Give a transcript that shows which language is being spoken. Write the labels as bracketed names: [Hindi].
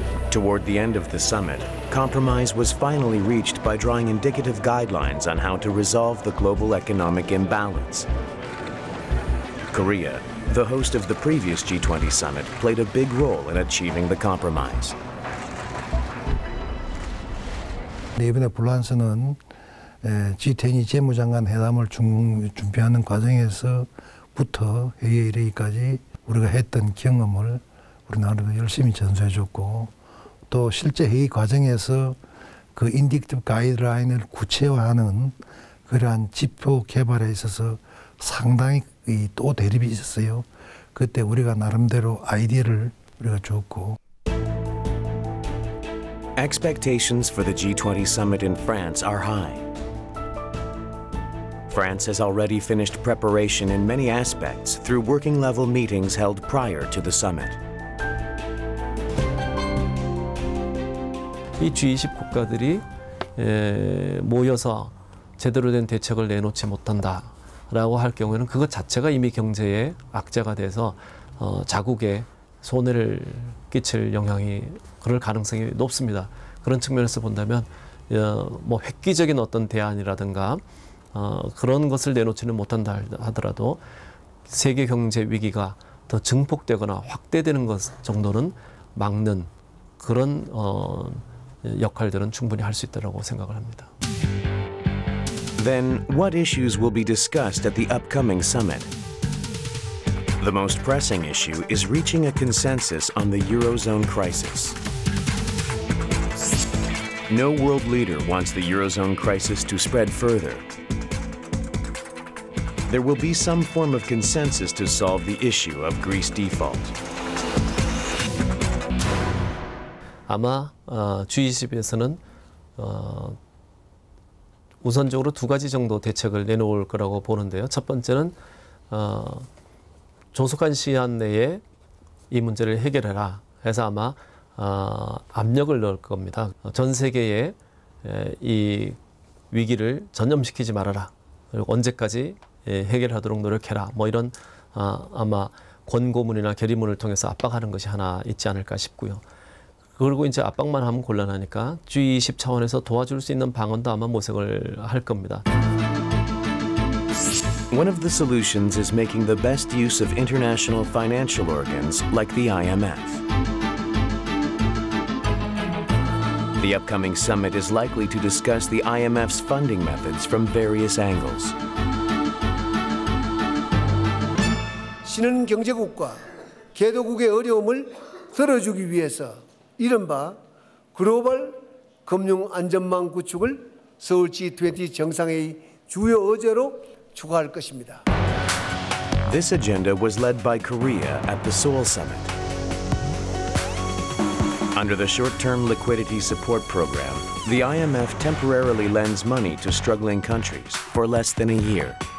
[English] Toward the end of the summit, compromise was finally reached by drawing indicative guidelines on how to resolve the global economic imbalance. Korea, the host of the previous G20 summit, played a big role in achieving the compromise. [Korean] 이번에 프랑스는 G20 재무장관 회담을 준비하는 과정에서부터 회의에 이르기까지 우리가 했던 경험을 우리나라도 열심히 전수해줬고 또 실제 회의 과정에서 그 인디케이티브 가이드라인을 구체화하는 그러한 지표 개발에 있어서 상당히 또 대립이 있었어요. 그때 우리가 나름대로 아이디어를 우리가 줬고 [English] Expectations for the G20 summit in France are high. France has already finished preparation in many aspects through working level meetings held prior to the summit. [Korean] 이 G20 국가들이 모여서 제대로 된 대책을 내놓지 못한다라고 할 경우에는 그것 자체가 이미 경제에 악재가 돼서 자국에 손해를 끼칠 영향이 그럴 가능성이 높습니다. 그런 측면에서 본다면 뭐 획기적인 어떤 대안이라든가 그런 것을 내놓지는 못한다 하더라도 세계 경제 위기가 더 증폭되거나 확대되는 것 정도는 막는 그런 역할들은 충분히 할 수 있다고 생각을 합니다. [English] Then what issues will be discussed at the upcoming summit? The most pressing issue is reaching a consensus on the Eurozone crisis. No world leader wants the Eurozone crisis to spread further. There will be some form of consensus to solve the issue of Greece default. [Korean] 아마 G20에서는 우선적으로 두 가지 정도 대책을 내놓을 거라고 보는데요. 첫 번째는 조속한 시한 내에 이 문제를 해결해라 해서 아마 압력을 넣을 겁니다. 전 세계에 이 위기를 전염시키지 말아라. 그리고 언제까지 해결하도록 노력해라. 뭐 이런 아마 권고문이나 결의문을 통해서 압박하는 것이 하나 있지 않을까 싶고요. 그리고 이제 압박만 하면 곤란하니까 G20 차원에서 도와줄 수 있는 방언도 아마 모색을 할 겁니다. [English] One of the solutions is making the best use of international financial organs like the IMF. The upcoming summit is likely to discuss the IMF's funding methods from various angles. [Korean] 신흥경제국과 개도국의 어려움을 덜어주기 위해서 이른바 글로벌 금융안전망 구축을 서울 G20 정상회의 주요 어제로 추가할 것입니다. [English] This agenda was led by Korea at the Seoul Summit. Under the short-term liquidity support program, the IMF temporarily lends money to struggling countries for less than a year.